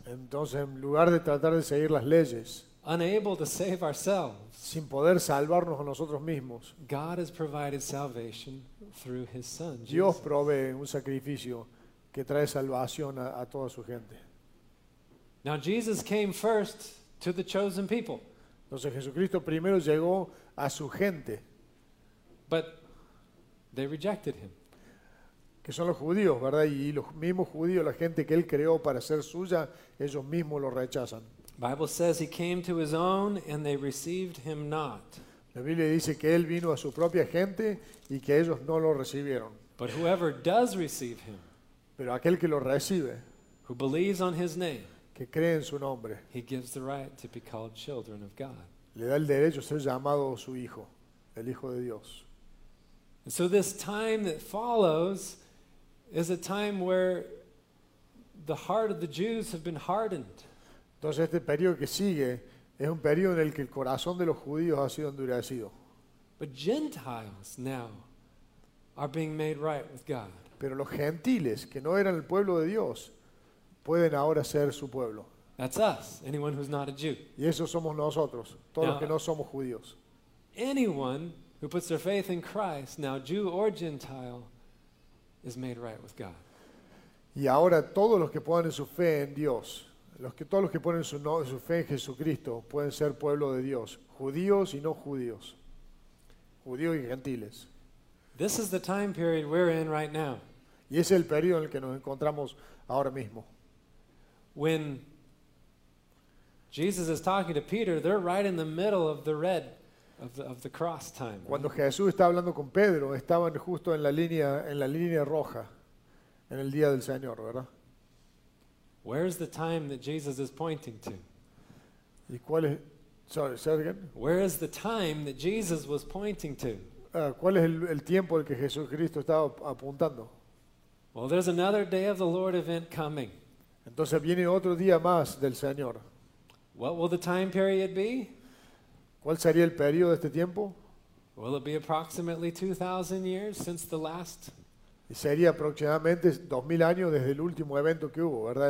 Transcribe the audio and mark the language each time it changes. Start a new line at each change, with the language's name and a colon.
Spanish: entonces en lugar de tratar de seguir las leyes,
English: unable to save ourselves,
Spanish: sin poder salvarnos a nosotros mismos,
English: God has provided salvation through His Son, Jesus.
Spanish: Dios provee un sacrificio que trae salvación a toda su gente.
English: Now Jesus came first to the chosen people.
Spanish: Entonces Jesucristo primero llegó a su gente.
English: But they rejected him.
Spanish: Que son los judíos, ¿verdad? Y los mismos judíos, la gente que él creó para ser suya, ellos mismos lo rechazan.
English: Bible says he came to his own and they received him not.
Spanish: La Biblia dice que él vino a su propia gente y que ellos no lo recibieron.
English: But whoever does receive him,
Spanish: pero aquel que lo recibe,
English: who believes on his name,
Spanish: que cree en su nombre,
English: he gives the right to be called children of God.
Spanish: Le da el derecho a ser llamado su hijo, el hijo de Dios.
English: And so this time that follows is a time where the heart of the Jews have been hardened.
Spanish: Entonces este periodo que sigue es un periodo en el que el corazón de los judíos ha sido endurecido.
English: But Gentiles now are being made right with God.
Spanish: Pero los gentiles, que no eran el pueblo de Dios, pueden ahora ser su pueblo.
English: That's us, anyone who's not a Jew.
Spanish: Y esos somos nosotros, todos los que no somos judíos.
English: Anyone who puts their faith in Christ, now Jew or Gentile, is made right with God.
Spanish: Y ahora todos los que ponen su fe en Dios, todos los que ponen su fe en Jesucristo, pueden ser pueblo de Dios, judíos y no judíos, judíos y gentiles.
English: This is the time period we're in right now.
Spanish: Y ese es el periodo en el que nos encontramos ahora mismo.
English: When Jesus is talking to Peter, they're right in the middle of the red of the cross time.
Spanish: Cuando Jesús estaba hablando con Pedro, estaban justo en la línea roja en el día del Señor, ¿verdad?
English: Where's the time that Jesus is pointing to?
Spanish: ¿Y cuál es?
English: Sorry, say it again. Where is the time that Jesus was pointing to?
Spanish: ¿Cuál es el tiempo al que Jesucristo estaba apuntando?
English: Well, there's another day of the Lord event coming.
Spanish: Entonces viene otro día más del Señor.
English: What will the time period be?
Spanish: ¿Cuál sería el periodo de este tiempo?
English: Will it be approximately 2,000 years since the last?
Spanish: Y sería aproximadamente 2,000 años desde el último evento que hubo, ¿verdad?